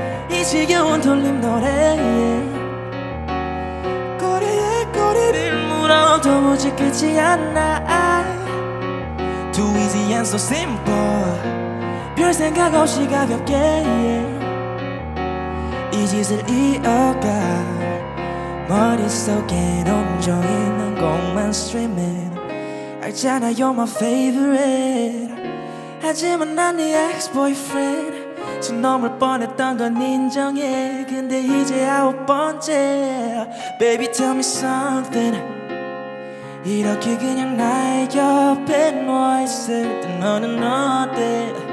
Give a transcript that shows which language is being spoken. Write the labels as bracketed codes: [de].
[ko] 이 지겨운 돌림 노래 꼬리에 꼬리를 물어 도무지 끝이 안 나. [en] Too easy and so simple. [ko] 별 생각 없이 가볍게 이 짓을 이어가. 머릿속에 온종일 난 곡만 streaming. 알잖아 [en] you're my favorite. [ko] 하지만 난 네 ex-boyfriend. 지금 넘을 뻔했던 건 인정해. 근데 이제 아홉 번째. [en] Baby tell me something. [ko] 이렇게 그냥 나의 옆에 누워있을 때 너는 어때?